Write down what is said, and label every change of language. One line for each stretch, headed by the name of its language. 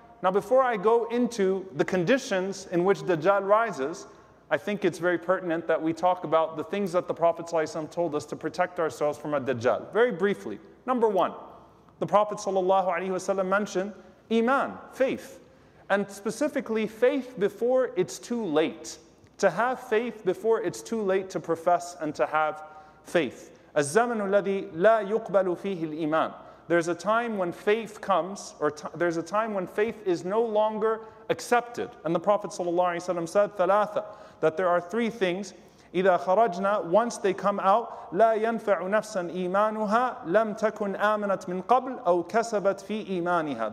English: Now, before I go into the conditions in which Dajjal rises, I think it's very pertinent that we talk about the things that the Prophet ﷺ told us to protect ourselves from a Dajjal. Very briefly, number one, the Prophet ﷺ mentioned iman, faith. And specifically, faith before it's too late. To have faith before it's too late to profess and to have faith.
Arabic: الزمن الذي لا يقبل فيه الإيمان.
English: There's a time when faith comes, or there's a time when faith is no longer accepted. And the Prophet ﷺ said, ثلاثة, that there are three things.
Arabic: إِذَا خَرَجْنَا,
English: once they come out,
Arabic: لَا يَنْفَعُ نَفْسًا إِيمَانُهَا لَمْ تَكُنْ آمَنَتْ مِنْ قَبْلْ أَوْ كَسَبَتْ فِي إِيمَانِهَا.